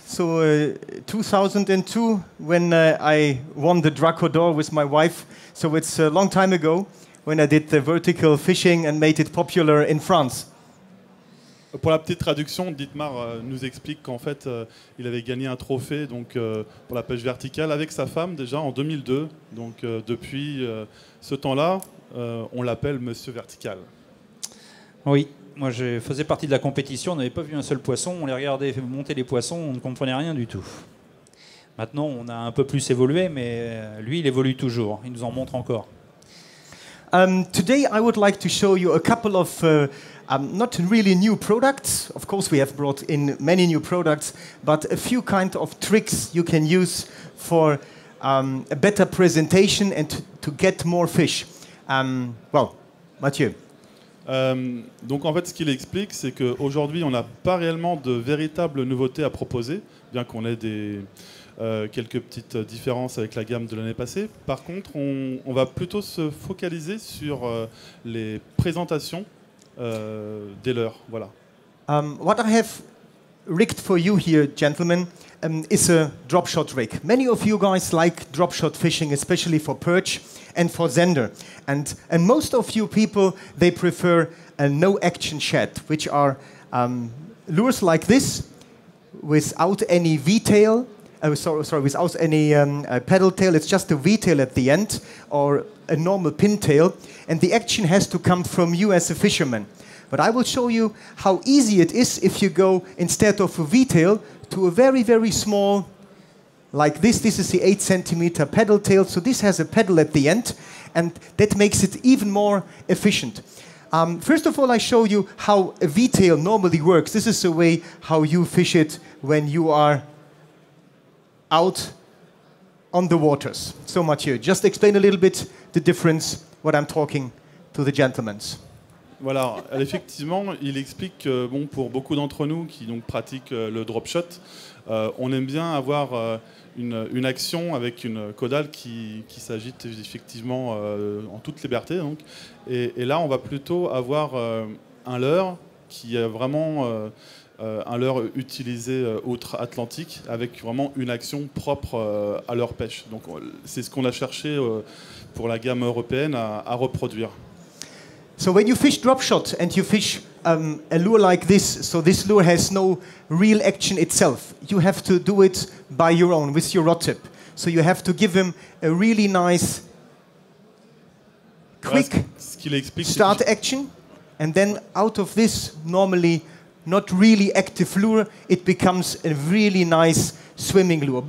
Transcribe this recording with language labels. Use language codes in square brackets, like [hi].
[en] So 2002, when I won the Draco d'Or with my wife. So it's a long time ago when I did the vertical fishing and made it popular in France. [fr] Pour la petite traduction, Dietmar nous explique qu'en fait, il avait gagné un trophée donc, pour la pêche verticale avec sa femme déjà en 2002. Donc depuis ce temps-là, on l'appelle Monsieur Vertical. Oui. Moi, je faisais partie de la compétition, on n'avait pas vu un seul poisson, on les regardait monter les poissons, on ne comprenait rien du tout. Maintenant, on a un peu plus évolué, mais lui, il évolue toujours, il nous en montre encore. [en] Today, I would like to show you a couple of not really new products. Of course, we have brought in many new products, but a few kind of tricks you can use for a better presentation and to get more fish. Well, Mathieu. [fr] Donc en fait ce qu'il explique c'est qu'aujourd'hui on n'a pas réellement de véritables nouveautés à proposer bien qu'on ait des, quelques petites différences avec la gamme de l'année passée. Par contre on va plutôt se focaliser sur les présentations des leurs. Voilà. [en] What I have rigged for you here gentlemen is a drop shot rig. Many of you guys like drop shot fishing especially for perch and for Zender. And most of you people, they prefer a no-action shad, which are lures like this, without any V-tail, without any paddle tail, it's just a V-tail at the end, or a normal pintail, and the action has to come from you as a fisherman. But I will show you how easy it is if you go, instead of a V-tail, to a very, very small, like this. This is the 8-centimeter paddle tail, so this has a paddle at the end, and that makes it even more efficient. First of all, I show you how a V-tail normally works. This is the way how you fish it when you are out on the waters. So Mathieu, just explain a little bit the difference, what I'm talking to the gentlemen. [fr] Voilà, effectivement, il explique que bon, pour beaucoup d'entre nous qui donc pratiquent le drop shot, on aime bien avoir une action avec une caudale qui s'agite effectivement en toute liberté. Donc. Et là, on va plutôt avoir un leurre qui est vraiment un leurre utilisé outre-Atlantique avec vraiment une action propre à leur pêche. Donc, c'est ce qu'on a cherché pour la gamme européenne à reproduire. [en] So when you fish drop shot and you fish a lure like this, so this lure has no real action itself, you have to do it by your own, with your rod tip. So you have to give him a really nice, quick start action, and then out of this normally not really active lure, it becomes a really nice swimming lure.